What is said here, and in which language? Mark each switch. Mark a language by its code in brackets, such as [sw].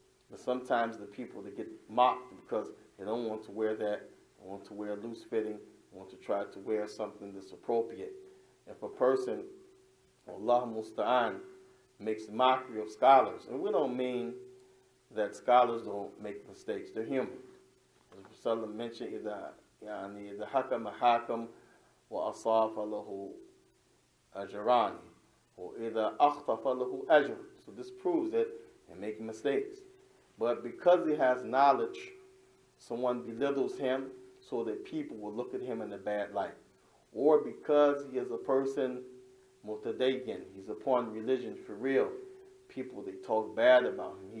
[en] But sometimes the people, they get mocked because they don't want to wear that, they want to wear loose-fitting, they want to try to wear something that's appropriate. If a person, Allah musta'an, makes mockery of scholars, and we don't mean that scholars don't make mistakes, they're human. As Rasulullah mentioned, [ar] إِذَا حَكَمَ حَاكَمْ وَأَصَافَ لَهُ أَجْرَانِ. وَإِذَا أَخْطَأَ فَلَهُ أَجْرٌ. [en] So this proves that he's making mistakes. But because he has knowledge, someone belittles him so that people will look at him in a bad light. Or because he is a person mutadayyin, he's upon religion for real, people, they talk bad about him.